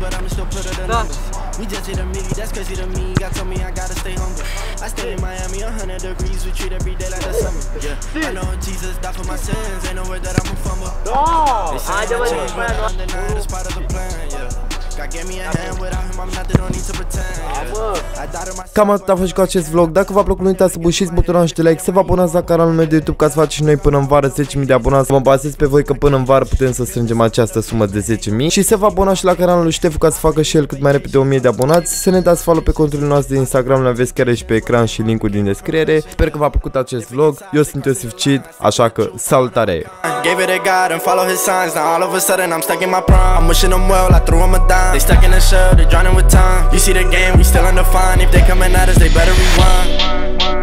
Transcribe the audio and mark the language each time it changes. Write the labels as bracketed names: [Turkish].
[English] but I'm still put it in numbers. We just hit a midi, that's crazy to me. God told me I gotta stay hungry. I stay in Miami, 100 degrees. We treat every day like the summer. Yeah. I know Jesus died for my sins. Ain't no way that I'm a fumble. They say I'm a change, but I'm denying it's part of the plan, yeah. [Romanian] Cam atât a fost cu acest vlog. Dacă v-a plăcut, nu uitați să bușiți butonul de like, să vă abonați la canalul meu de YouTube, ca să facem noi până în vară 10.000 de abonați. Mă bazez pe voi că până în vară putem să strângem această sumă de 10.000. Și să vă abonați la canalul lui Stefu, ca să facă și el cât mai repede 1.000 de abonați. Să ne dați follow pe conturile noastre de Instagram, le aveți chiar și pe ecran și linkul din descriere. Sper că v-a plăcut acest vlog. Eu sunt Iosif Cid, așa că salutare. [English] Gave it to God and follow his signs. Now all of a sudden I'm stuck in my prime. I'm wishing them well, I threw them a dime. They stuck in the shell, they drowning with time. You see the game, we still undefined. If they coming at us, they better rewind.